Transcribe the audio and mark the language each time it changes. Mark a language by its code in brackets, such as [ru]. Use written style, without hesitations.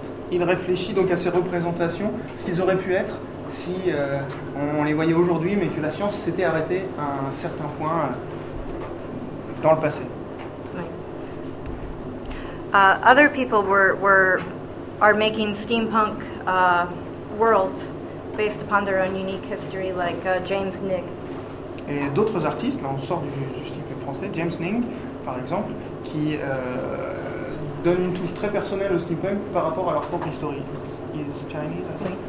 [fr] Il réfléchit donc à ces représentations, ce qu'ils auraient pu être si on les voyait aujourd'hui, mais que la science s'était arrêtée à un certain point dans le passé. [en] Other people are making steampunk worlds based upon their own unique history, like James Ning. [fr] Et d'autres artistes, là on sort du steampunk français, James Ning, par exemple, qui donne une touche très personnelle au steampunk par rapport à leur propre histoire. Il est chinois, oui.